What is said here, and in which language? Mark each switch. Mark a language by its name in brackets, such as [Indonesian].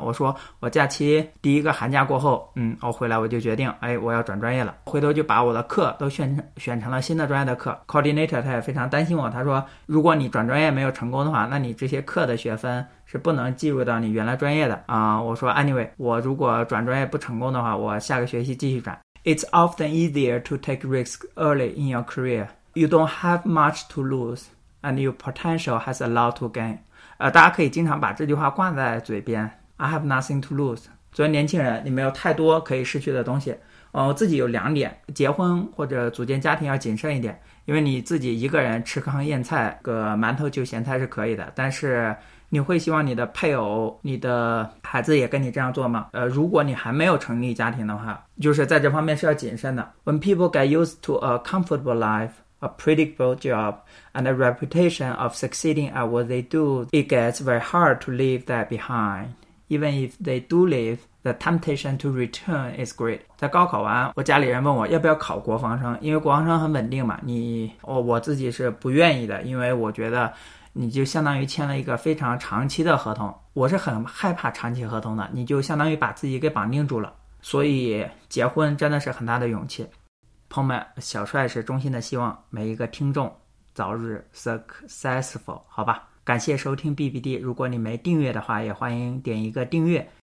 [Chinese] 我说我假期第一个寒假过后，我回来我就决定，哎，我要转专业了，回头就把我的课都选成了新的专业的课。 coordinator 他也非常担心我，他说如果你转专业没有成功的话，那你这些课的学分是不能计入到你原来专业的啊。我说 anyway， 我如果转专业不成功的话，我下个学期继续转。 [English] It's often easier to take risks early in your career. You don't have much to lose, and your potential has a lot to gain. [Chinese] 大家可以经常把这句话挂在嘴边。 [English] I have nothing to lose. [Chinese] 作为年轻人，你没有太多可以失去的东西。我自己有两点，结婚或者组建家庭要谨慎一点，因为你自己一个人吃糠咽菜，个馒头就咸菜是可以的，但是你会希望你的配偶、你的孩子也跟你这样做吗？如果你还没有成立家庭的话，就是在这方面是要谨慎的。 [English] When people get used to a comfortable life, a predictable job, and a reputation of succeeding at what they do, it gets very hard to leave that behind. Even if they do leave, the temptation to return is great. [Chinese] 在高考完，我家里人问我要不要考国防生，因为国防生很稳定嘛。我自己是不愿意的，因为我觉得你就相当于签了一个非常长期的合同，我是很害怕长期合同的，你就相当于把自己给绑定住了。所以结婚真的是很大的勇气。朋友们，小帅是衷心的希望每一个听众早日 successful， 好吧。感谢收听 BBD， 如果你没订阅的话，也欢迎点一个订阅，